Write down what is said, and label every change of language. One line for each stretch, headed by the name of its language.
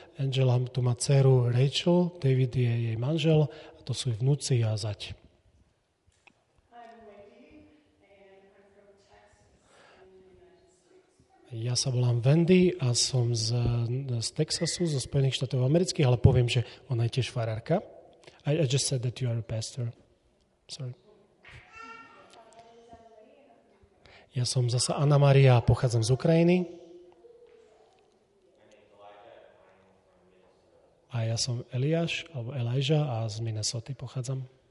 Slovak: Angela tu má dceru Rachel, David je jej manžel. A to sú jej vnúci a zať. Ja sa volám Wendy a som z Texasu, zo Spojených štátov amerických, ale poviem, že ona je tiež farárka.
English: I just said that you are a pastor. Sorry.
Slovak: Ja som zasa Anna Maria a pochádzam z Ukrajiny. A ja som Eliáš, alebo Elijah a z Minnesoty pochádzam.